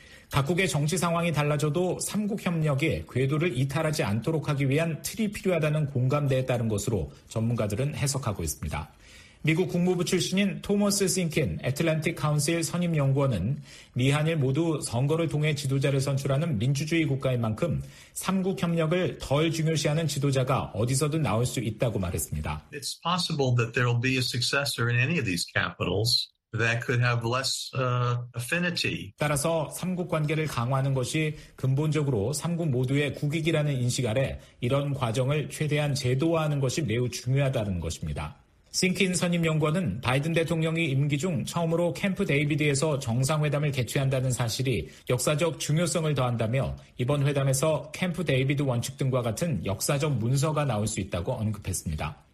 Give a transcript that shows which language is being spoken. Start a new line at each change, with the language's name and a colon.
Korean: 각국의 정치 상황이 달라져도 3국 협력이 궤도를 이탈하지 않도록 하기 위한 틀이 필요하다는 공감대에 따른 것으로 전문가들은 해석하고 있습니다. 미국 국무부 출신인 토머스 싱킨 애틀랜틱 카운슬 선임연구원은 미한일 모두 선거를 통해 지도자를 선출하는 민주주의 국가인 만큼 3국 협력을 덜 중요시하는 지도자가 어디서든 나올 수 있다고 말했습니다.
English: It's possible that there will be a successor in any of these capitals that could have less affinity.
Korean: 따라서 3국 관계를 강화하는 것이 근본적으로 3국 모두의 국익이라는 인식 아래 이런 과정을 최대한 제도화하는 것이 매우 중요하다는 것입니다. 싱킨 선임연구원은 바이든 대통령이 임기 중 처음으로 캠프 데이비드에서 정상회담을 개최한다는 사실이 역사적 중요성을 더한다며 이번 회담에서 캠프 데이비드 원칙 등과 같은 역사적 문서가 나올 수 있다고 언급했습니다.